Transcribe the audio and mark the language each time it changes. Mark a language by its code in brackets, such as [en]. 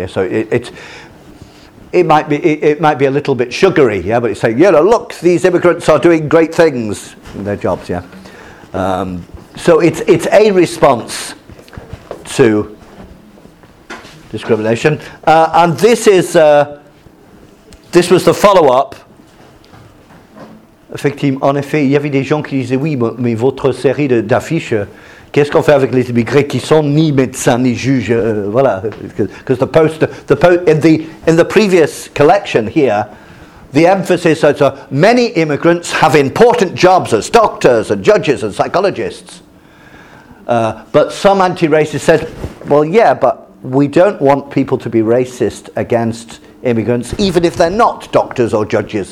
[en] Yeah, so it might be a little bit sugary, yeah, but it's saying, you know, look, these immigrants are doing great things in their jobs, yeah. So it's a response to discrimination, and this was the follow-up. [fr] Effectivement, en effet, il y avait des gens qui disaient oui, mais votre série d'affiches, qu'est-ce qu'on fait avec les immigrés qui sont ni médecins ni juges? [en] Voilà, because the previous collection here, the emphasis is many immigrants have important jobs as doctors and judges and psychologists. But some anti-racist says Well, yeah, but we don't want people to be racist against immigrants, even if they're not doctors or judges.